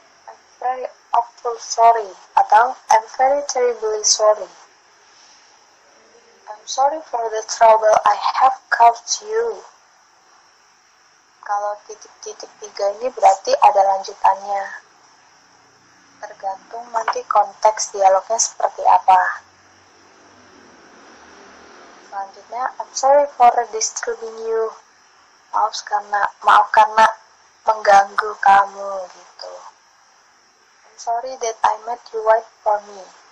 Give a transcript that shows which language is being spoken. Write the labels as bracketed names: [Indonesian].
[English] I'm very awful sorry, atau I'm very terribly sorry. I'm sorry for the trouble I have caused you. [Indonesian] Kalau titik-titik tiga ini berarti ada lanjutannya. Tergantung nanti konteks dialognya seperti apa. [English] Selanjutnya, I'm sorry for disturbing you. [Indonesian] Maaf karena mengganggu kamu gitu. [English] I'm sorry that I made you wait for me.